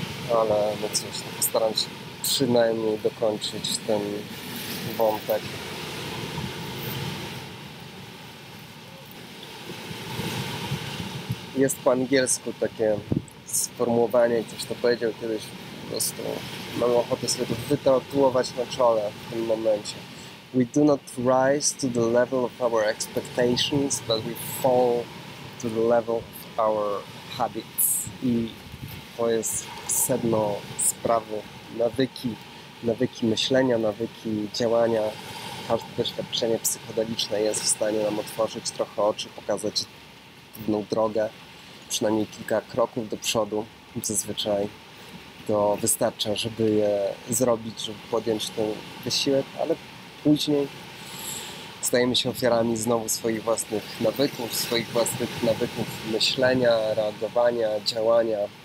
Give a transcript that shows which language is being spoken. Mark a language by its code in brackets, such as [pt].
[pl] Ale no cóż, postaram się przynajmniej dokończyć ten wątek. Jest po angielsku takie sformułowanie, ktoś to powiedział kiedyś, po prostu mam ochotę sobie to wytatuować na czole w tym momencie. [en] We do not rise to the level of our expectations, but we fall to the level of our habits. [pl] I to jest sedno sprawy. Nawyki, nawyki myślenia, nawyki działania. Każde doświadczenie psychodeliczne jest w stanie nam otworzyć trochę oczy, pokazać pewną drogę, przynajmniej kilka kroków do przodu. Zazwyczaj to wystarcza, żeby je zrobić, żeby podjąć ten wysiłek, ale później stajemy się ofiarami znowu swoich własnych nawyków myślenia, reagowania, działania.